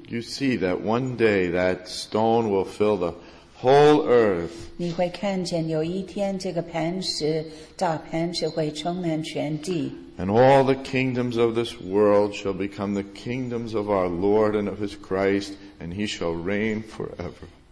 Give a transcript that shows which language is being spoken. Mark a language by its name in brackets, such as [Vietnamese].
[English] You see that one day that stone will fill the whole earth. [Chinese] 你会看见有一天这个磐石，大磐石会充满全地. [English] And all the kingdoms of this world shall become the kingdoms of our Lord and of His Christ, and He shall reign forever.